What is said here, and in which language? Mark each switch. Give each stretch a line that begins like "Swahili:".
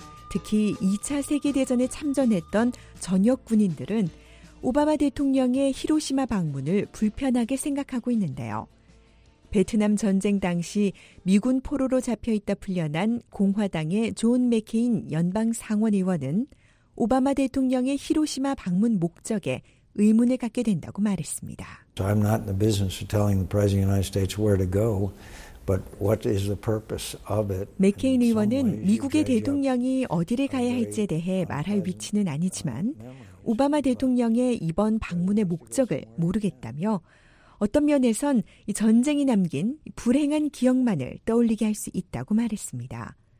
Korean: 특히 2차 세계대전에 참전했던 전역 군인들은 오바마 대통령의 히로시마 방문을 불편하게 생각하고 있는데요. 베트남 전쟁 당시 미군 포로로 잡혀있다 풀려난 공화당의 존 맥케인 연방 상원 의원은 오바마 대통령의 히로시마 방문 목적에 의문을 갖게 된다고 말했습니다.
English: I'm not in the business of telling the President of the United States where to go, but what is the purpose of it?
Korean: 맥케인 의원은 미국의 대통령이 어디를 가야 할지에 대해 말할 위치는 아니지만 오바마 대통령의 이번 방문의 목적을 모르겠다며 어떤 면에선 전쟁이 남긴 불행한 기억만을 떠올리게 할 수 있다고 말했습니다.